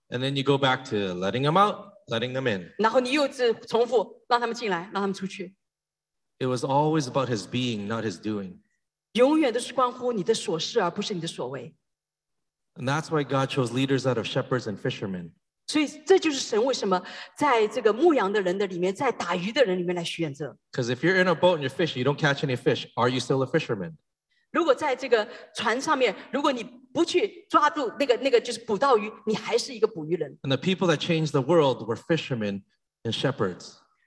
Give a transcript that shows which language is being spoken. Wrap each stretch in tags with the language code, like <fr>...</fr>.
<en>And then you go back to letting them out, letting them in.</en> <zh>然后你又重复,让他们进来,让他们出去。</zh> <en>It was always about his being, not his doing.</en> <zh>永远都是关乎你的所事,而不是你的所为。</zh> <en>And that's why God chose leaders out of shepherds and fishermen.</en> <zh>所以这就是神为什么在这个牧羊的人的里面,在打鱼的人里面来选择。</zh> <en>Because if you're in a boat and you're fishing, you don't catch any fish, are you still a fisherman?</en> <zh>如果在这个船上面,如果你不去抓住那个就是捕到鱼,你还是一个捕鱼人。</zh> <en>And the people that changed the world were fishermen and shepherds.</en>